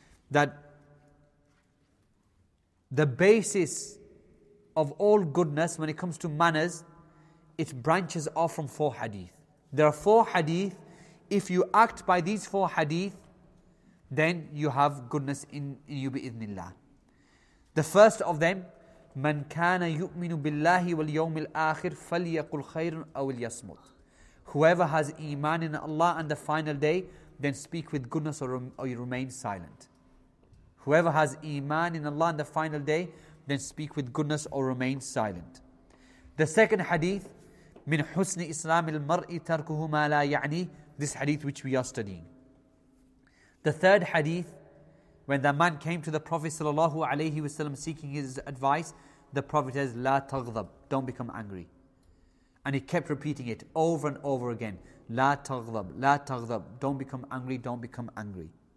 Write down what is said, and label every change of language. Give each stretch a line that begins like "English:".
English: That the basis of all goodness when it comes to manners, it branches off from four hadith. There are four hadith. If you act by these four hadith, then you have goodness in you
Arabic: بِإِذْنِ اللَّهِ.
English: The first of them,
Arabic: مَنْ كَانَ يُؤْمِنُ بِاللَّهِ وَالْيَوْمِ الْآخِرِ فَلْيَقُلْ خَيْرٌ أَوْ الْيَصْمُتْ.
English: Whoever has iman in Allah and the final day, then speak with goodness or you remain silent. Whoever has iman in Allah on the final day, then speak with goodness or remain silent. The second hadith,
Arabic: مِنْ حُسْنِ إِسْلَامِ الْمَرْءِ تَرْكُهُ مَا لَا يَعْنِي
English: this hadith which we are studying. The third hadith, when the man came to the Prophet sallallahu alaihi wasallam seeking his advice, the Prophet says,
Arabic: "La taghdab,"
English: don't become angry. And he kept repeating it over and over again.
Arabic: "La taghdab, la taghdab,"
English: don't become angry, don't become angry.